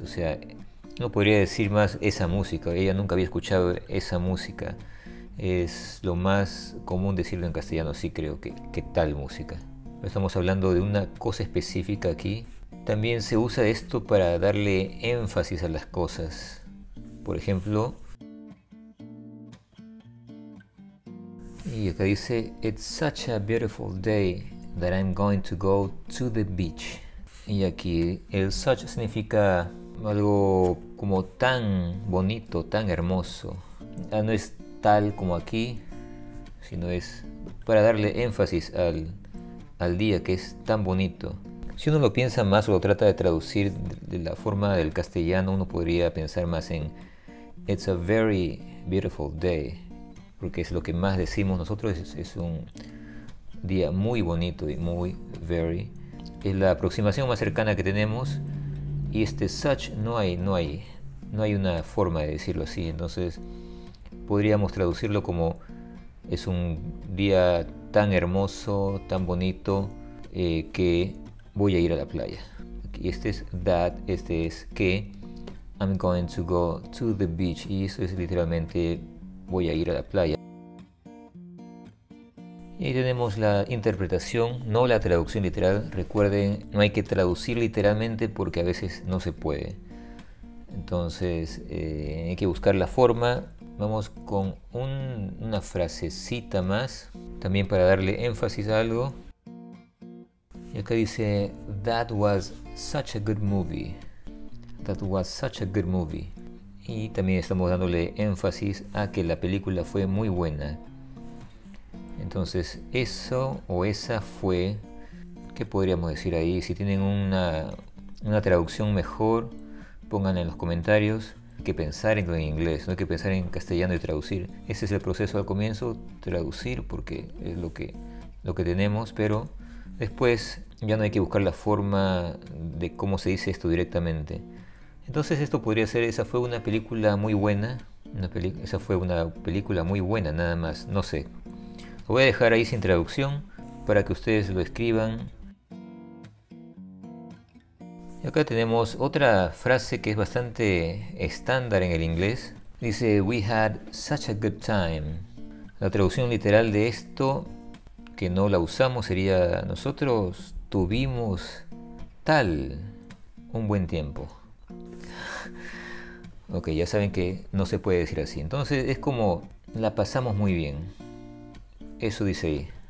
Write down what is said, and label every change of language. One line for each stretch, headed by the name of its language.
Spanish: O sea, no podría decir más esa música, ella nunca había escuchado esa música. Es lo más común decirlo en castellano, sí creo que tal música. Estamos hablando de una cosa específica aquí. También se usa esto para darle énfasis a las cosas. Por ejemplo, y acá dice,
English: It's such a beautiful day that I'm going to go to the beach.
Spanish: Y aquí el such significa algo como tan bonito, tan hermoso. Ya no es tal como aquí, sino es para darle énfasis al día que es tan bonito. Si uno lo piensa más o lo trata de traducir de la forma del castellano, uno podría pensar más en
English: It's a very beautiful day,
Spanish: porque es lo que más decimos nosotros, es un día muy bonito y muy very. Es la aproximación más cercana que tenemos y este such no hay una forma de decirlo así, entonces podríamos traducirlo como es un día tan hermoso, tan bonito, que voy a ir a la playa. Y este es that, este es que.
English: I'm going to go to the beach.
Spanish: Y eso es literalmente voy a ir a la playa. Y ahí tenemos la interpretación, no la traducción literal. Recuerden, no hay que traducir literalmente porque a veces no se puede. Entonces, hay que buscar la forma. Vamos con una frasecita más, también para darle énfasis a algo. Y acá dice,
English: That was such a good movie. That was such a good movie.
Spanish: Y también estamos dándole énfasis a que la película fue muy buena. Entonces, eso o esa fue, ¿qué podríamos decir ahí? Si tienen una traducción mejor, pongan en los comentarios. Hay que pensar en inglés, no hay que pensar en castellano y traducir. Ese es el proceso al comienzo, traducir, porque es lo que tenemos, pero después ya no hay que buscar la forma de cómo se dice esto directamente. Entonces esto podría ser, esa fue una película muy buena. Esa fue una película muy buena, nada más. No sé. Lo voy a dejar ahí sin traducción para que ustedes lo escriban. Y acá tenemos otra frase que es bastante estándar en el inglés. Dice,
English: We had such a good time.
Spanish: La traducción literal de esto, que no la usamos, sería nosotros tuvimos tal un buen tiempo. Ok, ya saben que no se puede decir así. Entonces es como la pasamos muy bien. Eso dice ahí.